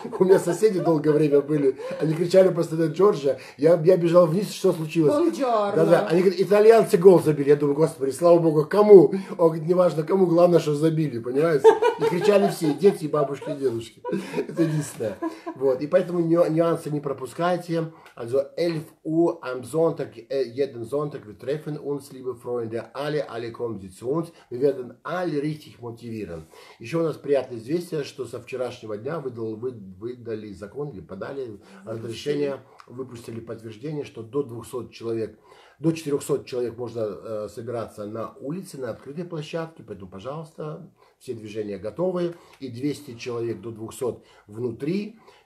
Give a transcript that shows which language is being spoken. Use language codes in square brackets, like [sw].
[ru] У меня соседи долгое время были, они кричали просто на Джорджио, я бежал вниз, что случилось. [it] Бонжорно. [ru] Да-да, они говорят, итальянцы гол забили, я думаю, господи, слава богу, кому? Он говорит, неважно, кому, главное, что забили, понимаете? И кричали все, дети, бабушки, дедушки, это единственное. Вот, и поэтому нюансы не пропускайте. [de] Also 11 Uhr am Sonntag, jeden Sonntag, wir treffen uns, liebe Freunde, alle kommen Sie zu uns, wir werden alle richtig motivieren. [ru] Еще у нас приятное известие, что со вчерашнего дня выдали закон, или подали разрешение, выпустили подтверждение, что до 200 человек, до 400 человек можно собираться на улице, на открытой площадке, поэтому, пожалуйста, все движения готовы, и 200 человек до 200 внутри,